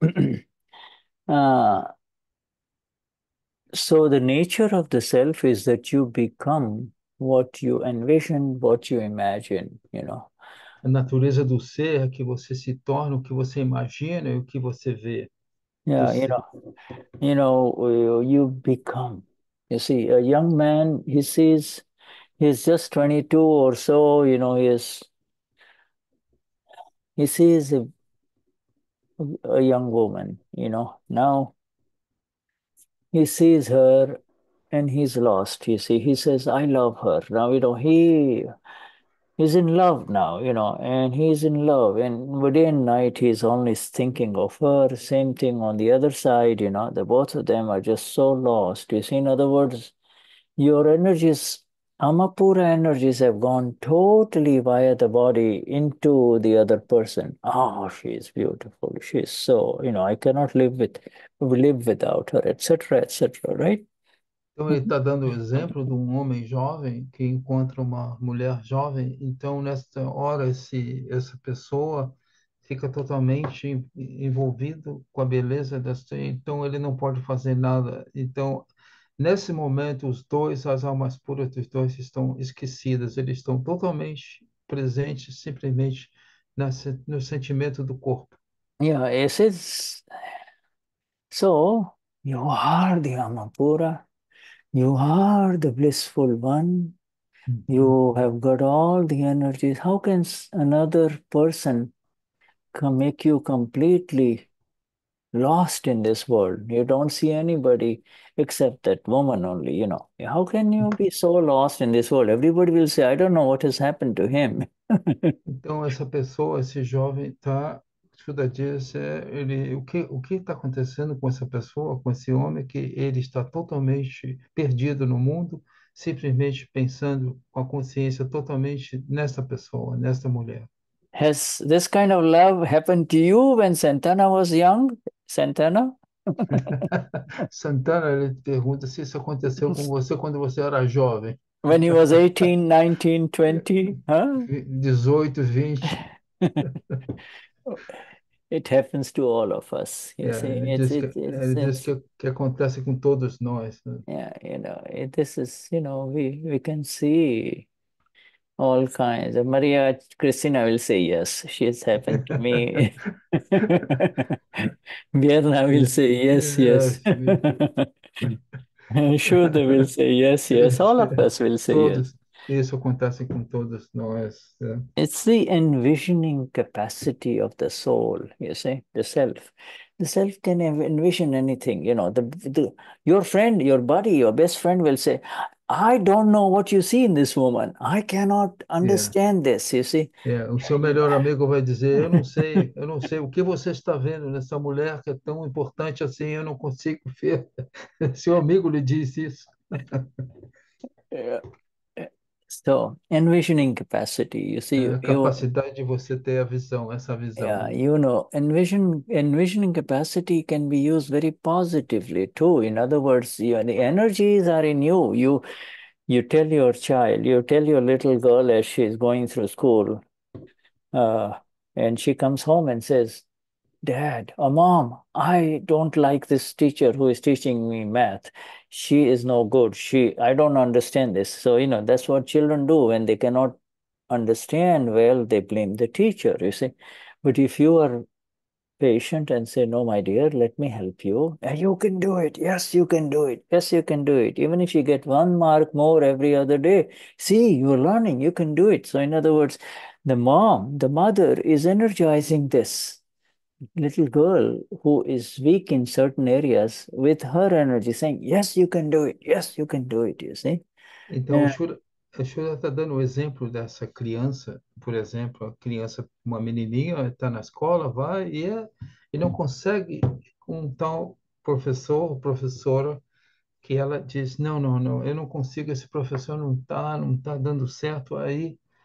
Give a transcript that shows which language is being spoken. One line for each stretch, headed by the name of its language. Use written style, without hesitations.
English: So the nature of the self is that you become what you envision, what you imagine,
Portuguese: A natureza do ser é que você se torna o que você imagina e o que você vê.
English: Yeah, you become, you see, a young man, he sees he's just 22 or so, you know, he sees a young woman, you know, now he sees her and he's lost, you see. He says, I love her. Now, you know, he's in love now, you know, and he's in love. And day and night, he's only thinking of her. Same thing on the other side, you know, the both of them are just so lost. You see, in other words, your energies, Amapura energies, have gone totally via the body into the other person. Oh, she's beautiful. She's so, you know, I cannot live without her, etc., right?
Portuguese: Então, ele está dando o exemplo de um homem jovem que encontra uma mulher jovem. Então, nesta hora, essa pessoa fica totalmente envolvido com a beleza desta. Então, ele não pode fazer nada. Então, nesse momento, os dois, as almas puras dos dois estão esquecidas. Eles estão totalmente presentes, simplesmente no sentimento do corpo.
English: Yeah, it says, so you are the Amapura, you are the blissful one, you have got all the energies. How can another person come make you completely lost in this world? You don't see anybody except that woman only, you know. How can you be so lost in this world? Everybody will say, I don't know what has happened to him.
Portuguese: Então, essa pessoa, esse jovem, tá, Chuda disse, ele, o que está acontecendo com essa pessoa, com esse homem, que ele está totalmente perdido no mundo, simplesmente pensando com a consciência totalmente nessa pessoa, nessa mulher.
English: Has this kind of love happened to you when Santana was young? Santana?
Portuguese: Santana, ele pergunta se isso aconteceu com você quando você era jovem.
English: When he was 18, 19, 20, huh? 18, 20. It happens to all of us, you see.
Portuguese: É,
English: It's
Portuguese: ele diz que acontece com todos nós, né?
English: this is, you know, we can see all kinds of Maria Cristina will say yes, she has happened to me. Vierna will say yes. Shuda will say yes. All of us will say yes.
Portuguese: Todos, isso acontece com todos nós. É.
English: It's the envisioning capacity of the soul, you see, the self. The self can envision anything, you know. Your friend, your buddy, your best friend will say, I don't know what you see in this woman. I cannot understand this, you see.
Portuguese: É, o seu melhor amigo vai dizer, eu não sei o que você está vendo nessa mulher que é tão importante assim, eu não consigo ver. Seu amigo lhe disse isso.
English: So, envisioning capacity, you see,
Portuguese: É a capacidade de você ter a visão, essa visão, né?
English: You know, envisioning capacity can be used very positively too. In other words, the energies are in you. You tell your child, you tell your little girl as she's going through school, and she comes home and says, Dad or Mom, I don't like this teacher who is teaching me math. She is no good. I don't understand this. So, you know, that's what children do when they cannot understand well, they blame the teacher, you see. But if you are patient and say, no, my dear, let me help you, and you can do it. Yes, you can do it. Yes, you can do it. Even if you get one mark more every other day, see, you're learning, you can do it. So, in other words, the mother is energizing this little girl who is weak in certain areas with her energy, saying, yes, you can do it. Yes, you can do it, you see.
Portuguese: Então, o Shura está dando o exemplo dessa criança, por exemplo, a criança, uma menininha, está na escola, vai e não consegue um tal professor ou professora que ela diz, não, não, não, eu não consigo, esse professor não tá dando certo aí.